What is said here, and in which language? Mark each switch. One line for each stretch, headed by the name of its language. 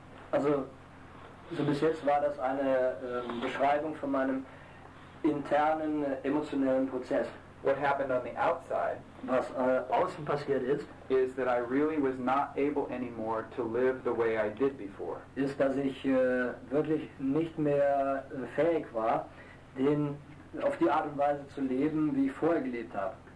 German: Also bis jetzt war das eine Beschreibung von meinem internen emotionalen Prozess.
English: What happened on the outside,
German: was außen passiert ist,
English: is that I really was not able anymore to live the way I did before.
German: Ist, dass ich wirklich nicht mehr fähig war, auf die Art und Weise zu leben, wie ich vorher gelebt habe.